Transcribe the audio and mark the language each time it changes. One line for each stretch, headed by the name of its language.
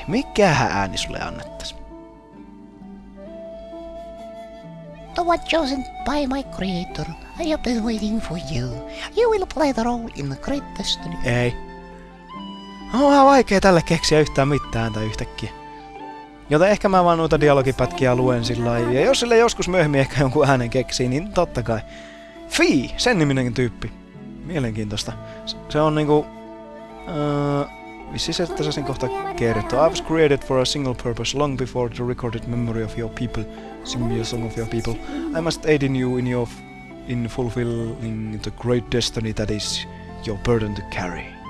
Finnish: Mikähän ääni sulle annettais?
English: The one chosen by my creator. I have been waiting for you. You will play the role in the great destiny.
Finnish: Ei. On vähän vaikea tälle keksiä yhtään mitään tai yhtäkkiä. Joten ehkä mä vaan noita dialogipätkiä luen sillä lailla. Ja jos sille joskus myöhemmin ehkä jonkun äänen keksii, niin tottakai. Fii, sen niminenkin tyyppi. Mielenkiintoista. Se on niinku... Vissi se, että sä sen kohta kerrottu.
English: I was created for a single purpose long before the recorded memory of your people. Sing me a song of your people. I must aid in you in your... in fulfilling the great destiny that is your burden to carry.